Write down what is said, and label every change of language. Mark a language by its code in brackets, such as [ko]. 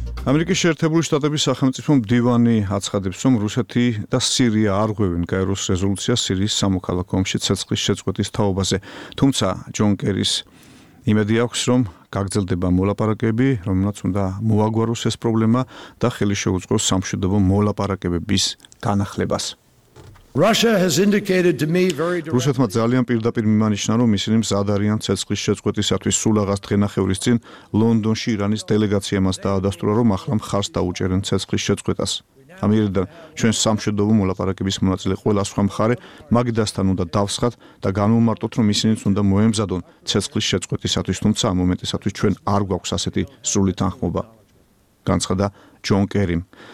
[ka] ამერიკის შეერთებული შტატების სახელმწიფო მდივანი აცხადებს, რომ რუსეთი და სირია არღვევენ კაიროს რეზოლუციას სირიის სამოქალაქო ომში ცეცხლის შეწყვეტის თაობაზე. თუმცა ჯონ კერის იმედი აქვს, რომ გაგრძელდება მოლაპარაკები, რომელსაც უნდა მოაგვაროს ეს პრობლემა და ხელი შეუწყოს სამშვიდობო მოლაპარაკებების განახლებას. [en] Russia has indicated to me very directly. [ka] რუსეთმა ძალიან პირდაპირ მიმანიშნა, რომ ისინი მზად არიან ცეცხლის შეწყვეტისათვის. სულაღას დღენახევრის წინ ლონდონში ირანის დელეგაცია მას დაადასტურა, რომ ახლა მხარს დაუჭერენ ცეცხლის შეწყვეტას. ამიერიდან ჩვენ სამშვიდობო მოლაპარაკების მონაწილე ყველა სხვა მხარე მაგიდასთან უნდა დავსხათ და განვმარტოთ, რომ ისინიც უნდა მოემზადონ ცეცხლის შეწყვეტისათვის, თუმცა ამ მომენტისათვის ჩვენ არ გვაქვს ასეთი სრული თანხმობა, განცხადა ჯონ კერიმ.